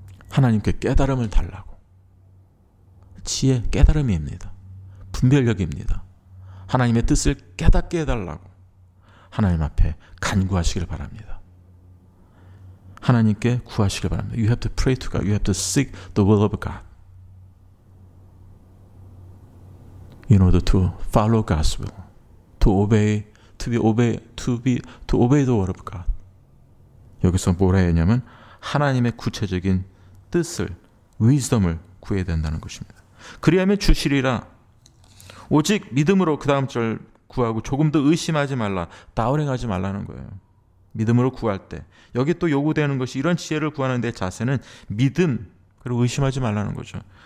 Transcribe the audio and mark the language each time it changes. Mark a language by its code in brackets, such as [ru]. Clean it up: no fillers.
[ko] 하나님께 깨달음을 달라고. 지혜, 깨달음입니다. 분별력입니다. 하나님의 뜻을 깨닫게 해달라고 하나님 앞에 간구하시길 바랍니다. 하나님께 구하시길 바랍니다. [en] You have to pray to God. You have to seek the will of God in order to follow God's will, to obey the word of God. [ko] 여기서 뭐라 해야 하냐면 하나님의 구체적인 뜻을, wisdom을 구해야 된다는 것입니다. 그리하면 주시리라. 오직 믿음으로 그 다음 절 구하고 조금 더 의심하지 말라, 다운행하지 말라는 거예요. 믿음으로 구할 때 여기 또 요구되는 것이, 이런 지혜를 구하는 데 자세는 믿음 그리고 의심하지 말라는 거죠.